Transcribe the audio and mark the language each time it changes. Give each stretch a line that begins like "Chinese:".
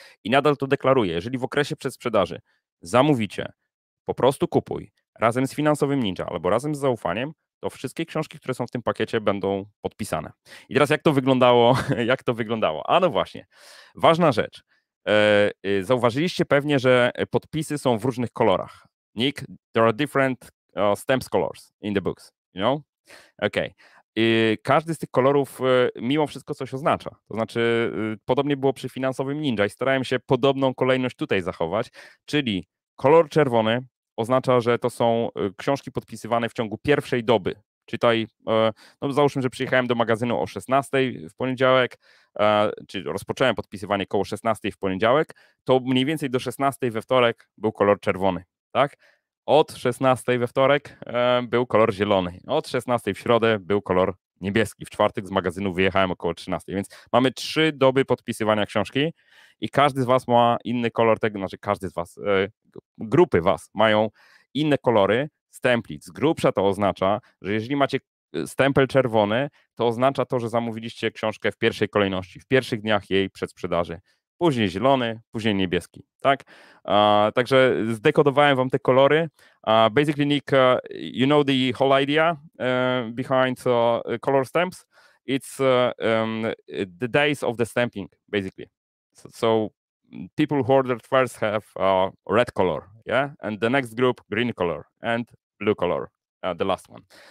Polish: I nadal to deklaruję, jeżeli w okresie przedsprzedaży zamówicie po prostu kupuj razem z finansowym ninja albo razem z zaufaniem, to wszystkie książki, które są w tym pakiecie, będą podpisane. I teraz jak to wyglądało? A no właśnie, ważna rzecz. Zauważyliście pewnie, że podpisy są w różnych kolorach.
English: Nick, there are different stamps colors in the books, you know? Okay.
Polish: Każdy z tych kolorów mimo wszystko coś oznacza. To znaczy, podobnie było przy finansowym ninja i starałem się podobną kolejność tutaj zachować, czyli kolor czerwony oznacza, że to są książki podpisywane w ciągu pierwszej doby, czytaj, no załóżmy, że przyjechałem do magazynu o 16 w poniedziałek, czyli rozpocząłem podpisywanie koło 16 w poniedziałek, to mniej więcej do 16 we wtorek był kolor czerwony, tak? Od 16 we wtorek był kolor zielony, od 16 w środę był kolor niebieski, w czwartek z magazynu wyjechałem około 13, więc mamy 3 doby podpisywania książki i każdy z was ma inny kolor tego, znaczy każdy z was, grupy was mają inne kolory stemplic. Z grubsza to oznacza, że jeżeli macie stempel czerwony, to oznacza to, że zamówiliście książkę w pierwszej kolejności, w pierwszych dniach jej przedsprzedaży. Później zielony, później niebieski, tak? Także zdekodowałem wam te kolory.
English: Basically, Nick, you know the whole idea behind color stamps? It's the days of the stamping, basically. So people who ordered first have red color, yeah? And the next group, green color and blue color, the last one.